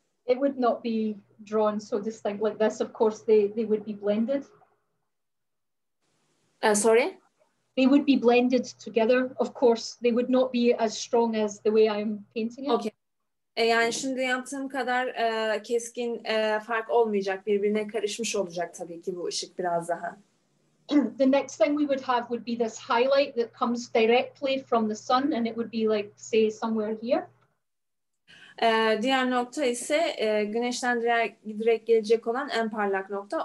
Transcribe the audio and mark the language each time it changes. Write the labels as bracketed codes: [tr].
[en] It would not be drawn so distinct like this. Of course, they would be blended. Sorry? They would be blended together. Of course, they would not be as strong as the way I'm painting it. [tr] Okay. Yani şimdi yaptığım kadar keskin fark olmayacak. Birbirine karışmış olacak tabii ki bu ışık biraz daha. [en] The next thing we would have would be this highlight that comes directly from the sun and it would be like, say, somewhere here. [tr] Diğer nokta ise güneşten direkt gelecek olan en parlak nokta.